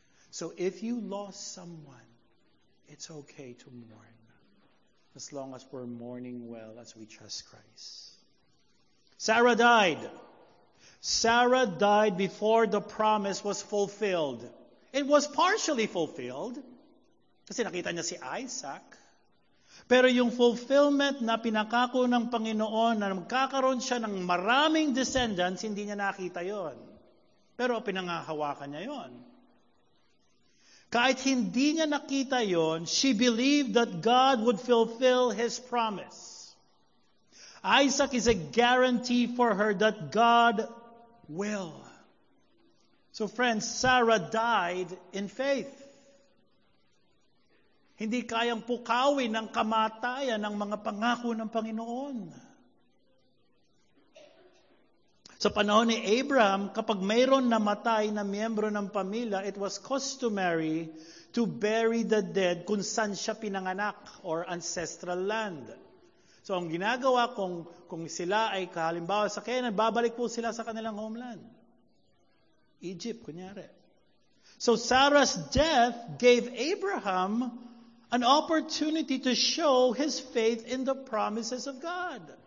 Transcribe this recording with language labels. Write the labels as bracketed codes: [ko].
[en] So if you lost someone, it's okay to mourn, as long as we're mourning well as we trust Christ. Sarah died. Sarah died before the promise was fulfilled. It was partially fulfilled. [tl] Kasi nakita niya si Isaac. Pero yung fulfillment na pinakako ng Panginoon na magkakaroon siya ng maraming descendants, hindi niya nakita yon. Pero pinangahawakan niya yon. Kahit hindi niya nakita yon, [en] she believed that God would fulfill His promise. Isaac is a guarantee for her that God will. So friends, Sarah died in faith. [tl] Hindi kayang pukawin ng kamatayan ng mga pangako ng Panginoon. Sa panahon ni Abraham, kapag mayroon namatay na miyembro ng pamilya, [en] it was customary to bury the dead [tl] kung saan siya pinanganak or ancestral land. So ang ginagawa kung sila ay kahalimbawa sa Canaan, babalik po sila sa kanilang homeland. Egypt, kunyari. [en] So Sarah's death gave Abraham an opportunity to show his faith in the promises of God.